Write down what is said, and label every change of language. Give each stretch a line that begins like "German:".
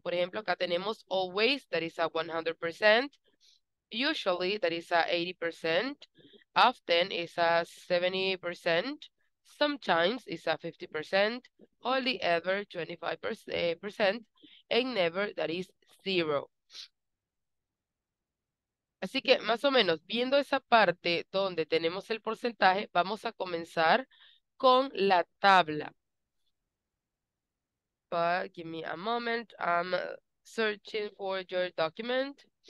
Spanish: Por ejemplo, acá tenemos
English: always, that is a 100%, usually, that is a 80%, often is a 70%, sometimes is a 50%, only ever 25%, and never, that is zero.
Spanish: Así que más o menos, viendo esa parte donde tenemos el porcentaje, vamos a comenzar con la tabla.
English: But give me a moment, I'm searching for your document.